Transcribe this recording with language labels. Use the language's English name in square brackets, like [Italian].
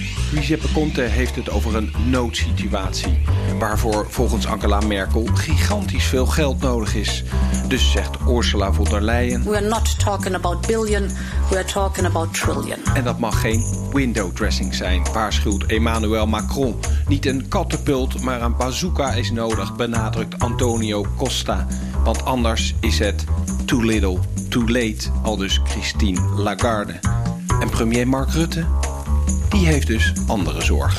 [Dutch] Giuseppe Conte heeft het over een noodsituatie. Waarvoor volgens Angela Merkel gigantisch veel geld nodig is. Dus zegt Ursula von der Leyen. [English] We are not talking about billion, we are talking about trillion. [Dutch] En dat mag geen window dressing zijn, waarschuwt Emmanuel Macron. Niet een katapult, maar een bazooka is nodig, benadrukt Antonio Costa. Want anders is het [English] too little, too late, [Dutch] aldus Christine Lagarde. En premier Mark Rutte? Die heeft dus andere zorgen.